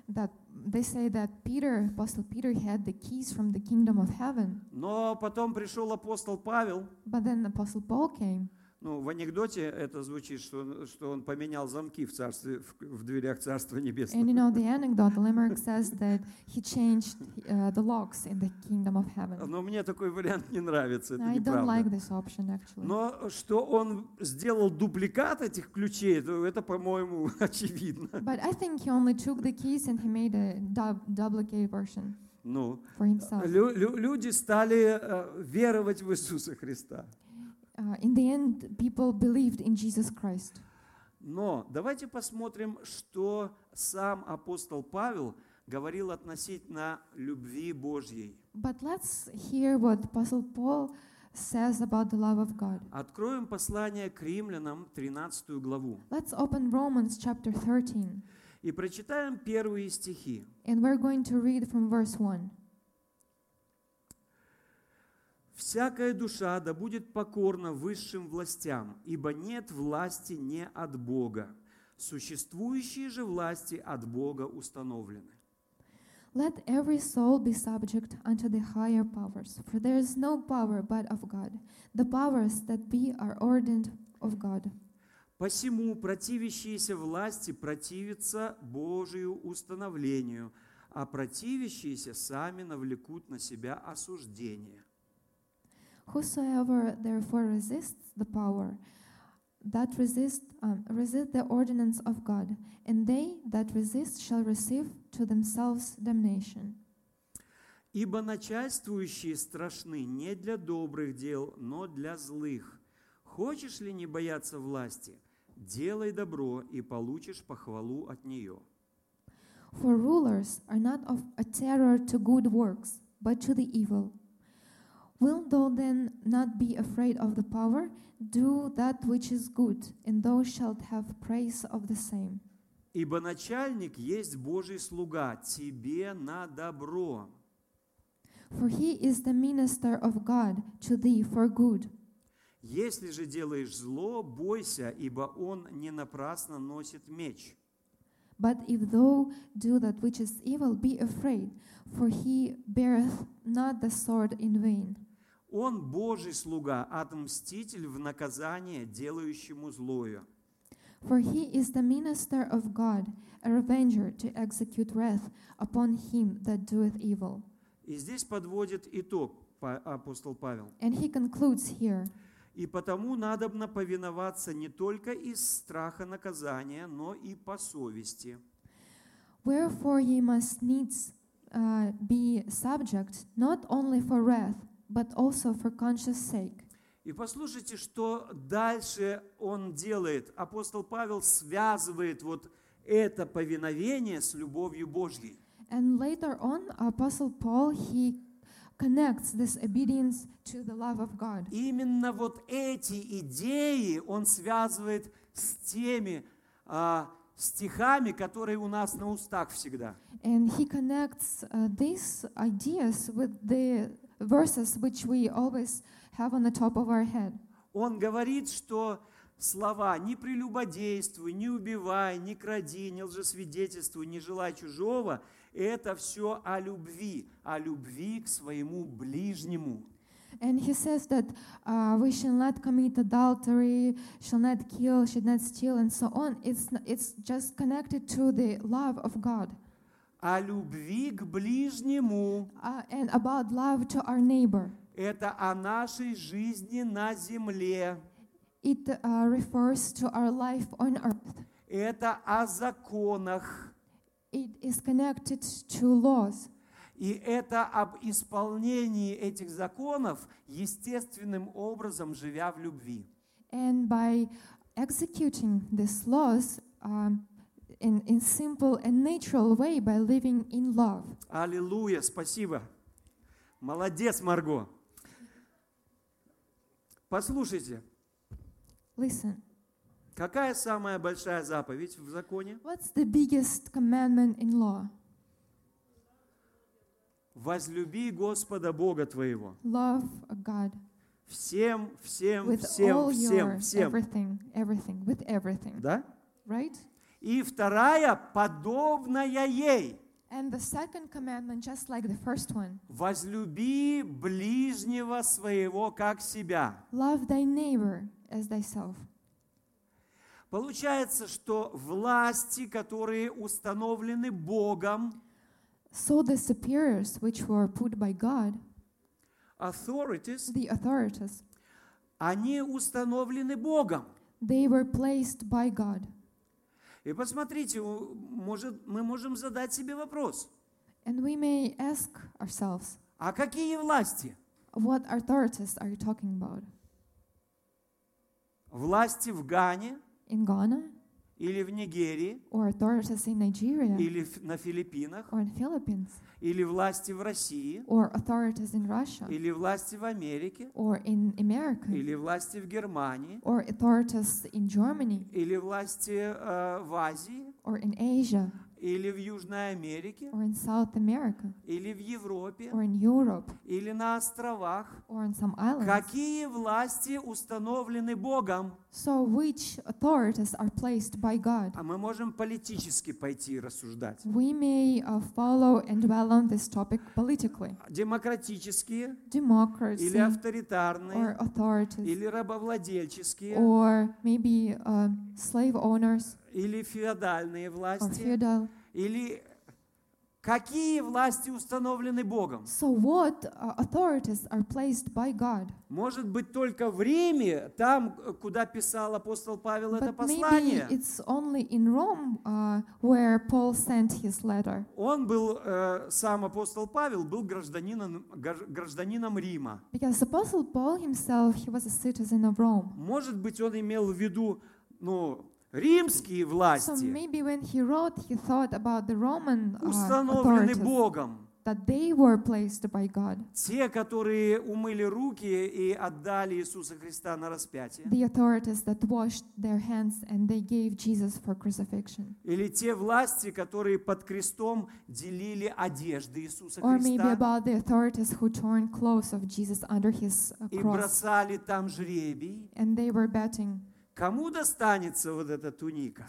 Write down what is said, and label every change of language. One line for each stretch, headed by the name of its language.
English: That they say that Peter, Apostle Peter, had the keys from the kingdom of heaven.
Russian: Но потом пришел апостол Павел.
English: But then Apostle Paul came.
Russian: Ну, в анекдоте это звучит, что он поменял замки в дверях Царства Небесного.
English: And you know the anecdote, the limerick says that he changed the locks in the kingdom of heaven.
Russian: Но мне такой вариант не нравится, это неправда.
English: I don't like this option actually.
Russian: Но что он сделал дубликат этих ключей, это, по-моему, очевидно.
English: But I think he only took the keys and he made a duplicate version.
Russian: Ну,
English: for himself.
Russian: Люди стали веровать в Иисуса Христа.
English: In the end, people believed in Jesus Christ.
Russian: Но давайте посмотрим, что сам апостол Павел говорил относительно любви Божьей.
English: But let's hear what Apostle Paul says about the love of God.
Russian: Откроем послание к Римлянам, 13 главу.
English: Let's open Romans chapter 13.
Russian: И прочитаем первые стихи.
English: And we're going to read from verse 1.
Russian: «Всякая душа да будет покорна высшим властям, ибо нет власти не от Бога. Существующие же власти от Бога установлены».
English: Let every soul be subject unto the higher powers, for there is no power but of God. The powers that be are ordained of God.
Russian: Посему противящиеся власти противятся Божию установлению, а противящиеся сами навлекут на себя осуждение.
English: Whosoever therefore resists the power, that resist the ordinance of God, and they that resist shall receive to themselves damnation.
Russian: Ибо начальствующие страшны не для добрых дел, но для злых. Хочешь ли не бояться власти? Делай добро, и получишь похвалу от нее.
English: For rulers are not of a terror to good works, but to the evil. Wilt thou then not be afraid of the power? Do that which is good, and thou shalt have praise of the same.
Russian: Ибо начальник есть Божий слуга тебе на добро.
English: For he is the minister of God to thee for good.
Russian: Если же делаешь зло, бойся, ибо он не напрасно носит меч.
English: But if thou do that which is evil, be afraid, for he beareth not the sword in vain.
Russian: Он Божий слуга, отмститель в наказание делающему злое.
English: For he is the minister of God, a revenger to execute wrath upon him that doeth evil.
Russian: И здесь подводит итог апостол Павел.
English: And he concludes here.
Russian: И потому надобно повиноваться не только из страха наказания, но и по совести.
English: Wherefore ye must needs be subject not only for wrath, but also for conscience sake.
Russian: И послушайте, что дальше он делает. Апостол Павел связывает вот это повиновение с любовью Божьей.
English: And later on, Apostle Paul, he connects this obedience to the love of God.
Russian: Именно вот эти идеи он связывает с теми стихами, которые у нас на устах всегда.
English: And he connects these ideas with the verses which we always have on the top of our head.
Russian: Он говорит, что слова «не прелюбодействуй», «не убивай», «не кради», «не лжесвидетельствуй», «не желай чужого» — это все о любви к своему ближнему.
English: And he says that we shall not commit adultery, shall not kill, should not steal, and so on. It's just connected to the love of God.
Russian: О любви к ближнему.
English: And about love to our neighbor.
Russian: Это о нашей жизни на земле.
English: It refers to our life on earth.
Russian: Это о законах.
English: It is connected to laws.
Russian: И это об исполнении этих законов естественным образом, живя в любви.
English: And by executing these laws, in simple and natural way by living in love.
Russian: Аллилуйя, спасибо. Молодец, Марго. Послушайте.
English: Listen.
Russian: Какая самая большая заповедь в законе?
English: What's the biggest commandment in law?
Russian: Возлюби Господа Бога твоего.
English: Love God.
Russian: Всем, всем,
English: with
Russian: всем,
English: all
Russian: всем,
English: your,
Russian: всем.
English: Everything, everything, with everything.
Russian: Да?
English: Right?
Russian: И вторая, подобная ей.
English: And the second commandment, just like the first one.
Russian: Возлюби ближнего своего, как себя.
English: Love thy neighbor as thyself.
Russian: Получается, что власти, которые установлены Богом,
English: so the superiors, which were put by God, authorities, the authorities,
Russian: они установлены Богом.
English: They were placed by God.
Russian: И посмотрите, может, мы можем задать себе вопрос.
English: And we may ask ourselves,
Russian: а какие власти?
English: What authorities are you talking about?
Russian: Власти в Гане?
English: In Ghana?
Russian: Или в Нигерии?
English: Or authorities in Nigeria?
Russian: Или на Филиппинах?
English: Or in Philippines?
Russian: Или власти в России?
English: Or authorities in Russia?
Russian: Или власти в Америке?
English: Or in America?
Russian: Или власти в Германии?
English: Or authorities in Germany?
Russian: Или власти в Азии?
English: Or in Asia?
Russian: или в Южной Америке,
English: or in South America,
Russian: или в Европе,
English: or in Europe,
Russian: или на островах,
English: or on some islands.
Russian: Какие власти установлены Богом?
English: So which authorities are placed by God?
Russian: А мы можем политически пойти рассуждать.
English: We may follow and dwell on this topic politically.
Russian: Демократические,
English: democracy,
Russian: или авторитарные,
English: or authorities,
Russian: или рабовладельческие,
English: or maybe slave owners,
Russian: или феодальные власти,
English: or feudal.
Russian: Или какие власти установлены Богом?
English: So what authorities are placed by God?
Russian: Может быть, только в Риме, там, куда писал апостол Павел это послание.
English: But maybe it's only in Rome where Paul sent his letter.
Russian: Он был, сам апостол Павел, был гражданином Рима.
English: Because apostle Paul himself, he was a citizen of Rome.
Russian: Может быть, он имел в виду, ну, римские власти.
English: So maybe when he wrote, he thought about the Roman
Russian: установлены Богом.
English: That they were placed by God.
Russian: Те, которые умыли руки и отдали Иисуса Христа на распятие.
English: The authorities that washed their hands and they gave Jesus for crucifixion.
Russian: Или те власти, которые под крестом делили одежды Иисуса Христа.
English: Or maybe about the authorities who torn clothes of Jesus under his cross.
Russian: И бросали там жребий.
English: And they were betting.
Russian: Кому достанется вот эта туника?